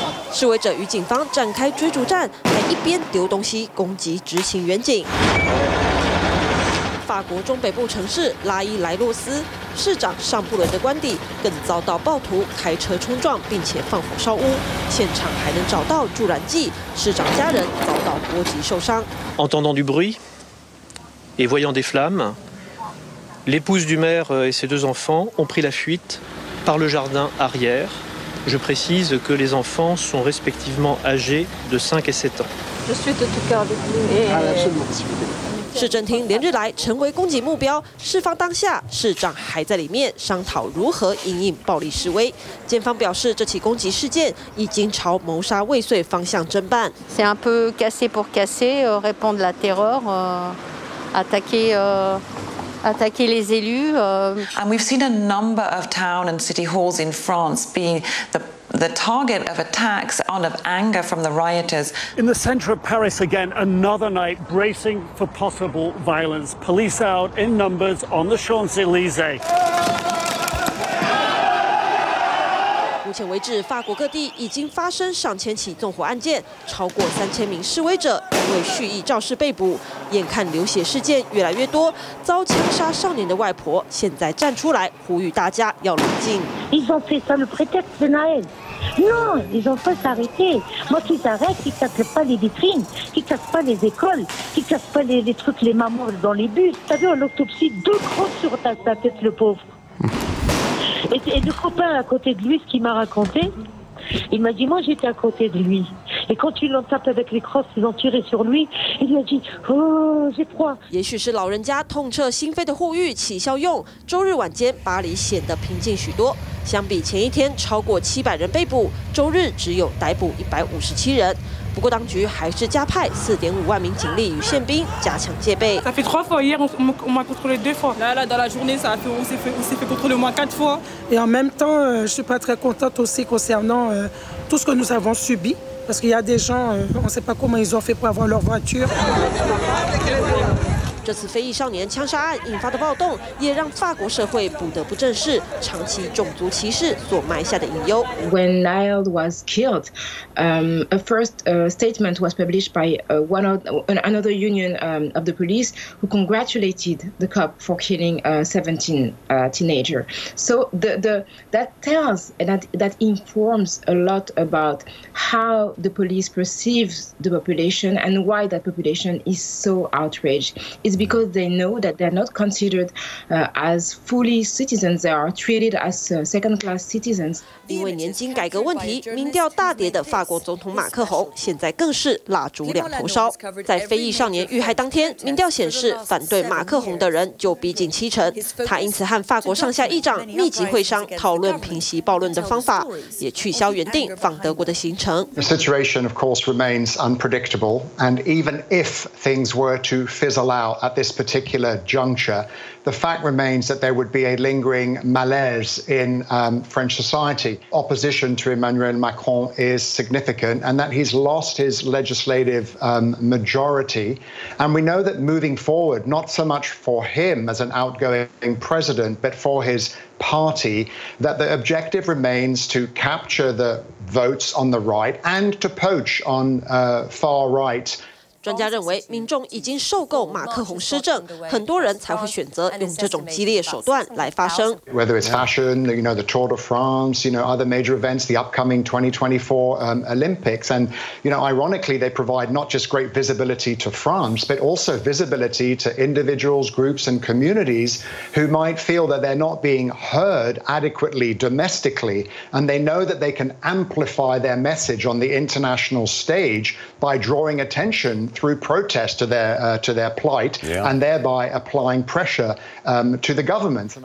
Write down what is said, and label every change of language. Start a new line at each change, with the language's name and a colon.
Chinese: 示威者与警方展开追逐战，还一边丢东西攻击执勤员警。法国中北部城市拉伊莱洛斯市长尚布伦的官邸更遭到暴徒开车冲撞，并且放火烧屋，现场还能找到助燃剂，市长家人遭到波及受伤。
French: Entendant du bruit et voyant des flammes, l'épouse du maire et ses deux enfants ont pris la fuite par le jardin arrière. Je précise que les enfants sont respectivement âgés de 5 et 7 ans. Je suis de tout cœur avec vous. Absolument.
Chinese: 市政厅连日来成为攻击目标，事发当下市长还在里面商讨如何因应暴力示威。检方表示，这起攻击事件已经朝谋杀未遂方向侦办。
French: C'est un peu casser pour casser, répondre la terreur, attaquer les élus.
English: And we've seen a number of town and city halls in France being the target of attacks and of anger from the rioters. In the center of Paris again, another night bracing for possible violence. Police out in numbers on the Champs-Élysées.
Chinese: 目前为止，法国各地已经发生上千起纵火案件，超过3000名示威者因为蓄意肇事被捕。眼看流血事件越来越多，遭枪杀少年的外婆现在站出来呼吁大家要冷静。
French: Ils ont fait ça le prétexte de Naël. Non, ils ont fait s'arrêter. Moi, qu'ils arrêtent, qu'ils cassent pas les vitrines, qu'ils cassent pas les écoles, qu'ils cassent pas les trucs, les mamans dans les bus. T'as vu, on l'autopsie deux crocs sur sa tête, le pauvre. Et le copain à côté de lui, ce qu'il m'a raconté, il m'a dit, moi, j'étais à côté de lui. Et quand ils l'ont tapé avec les crocs, ils ont tiré sur lui. Il lui a dit, oh, j'ai froid.
Chinese: 也许是老人家痛彻心扉的呼吁起效用，周日晚间巴黎显得平静许多。相比前一天超过700人被捕，周日只有逮捕157人。不过当局还是加派4.5万名警力与宪兵加强戒备。
French: Ça fait trois fois hier, on m'a contrôlé deux fois. Là, dans la journée, ça a fait, on s'est fait contrôler au moins quatre fois. Et en même temps, je suis pas très contente aussi concernant tout ce que nous avons subi, parce qu'il y a des gens, on sait pas comment ils ont fait pour avoir leur voiture.
Chinese: 这次非裔少年枪杀案引发的暴动，也让法国社会不得不正视长期种族歧视所埋下的隐忧。
English: When Niall was killed, a first statement was published by another union of the police who congratulated the cop for killing a 17 teenager. So that tells and that informs a lot about how the police perceives the population and why that population is so outraged. It's because they know that they're not considered as fully citizens, they are treated as second-class citizens.
Chinese: 因为年金改革问题，民调大跌的法国总统马克宏现在更是蜡烛两头烧。在非裔少年遇害当天，民调显示反对马克宏的人就逼近70%。他因此和法国上下议长密集会商，讨论平息暴乱的方法，也取消原定访德国的行程。
English: The situation, of course, remains unpredictable, and even if things were to fizzle out. At this particular juncture, the fact remains that there would be a lingering malaise in French society. Opposition to Emmanuel Macron is significant, and that he's lost his legislative majority. And we know that moving forward, not so much for him as an outgoing president, but for his party, that the objective remains to capture the votes on the right and to poach on far right.
Chinese: 专家认为，民众已经受够马克宏施政，很多人才会选择用这种激烈手段来发声。
English: Whether it's fashion, you know, the Tour de France, you know, other major events, the upcoming 2024 Olympics, and you know, ironically, they provide not just great visibility to France, but also visibility to individuals, groups, and communities who might feel that they're not being heard adequately domestically, and they know that they can amplify their message on the international stage by drawing attention through protest to their plight, and thereby applying pressure to the government.